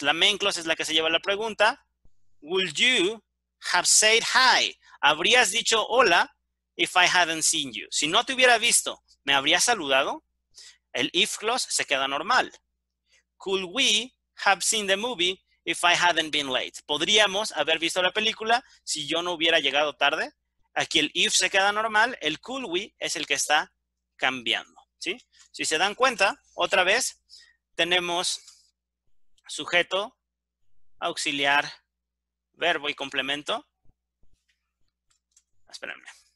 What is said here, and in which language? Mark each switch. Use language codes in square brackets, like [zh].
[es] La main clause es la que se lleva la pregunta. [en] Would you have said hi? [es] ¿Habrías dicho hola [en] if I hadn't seen you? [es] Si no te hubiera visto, ¿me habrías saludado? El if clause se queda normal. [en] Could we have seen the movie if I hadn't been late? [es] ¿Podríamos haber visto la película si yo no hubiera llegado tarde? Aquí el if se queda normal, el could we es el que está cambiando, ¿sí? Si se dan cuenta, otra vez, tenemos sujeto, auxiliar, verbo y complemento. Espérenme.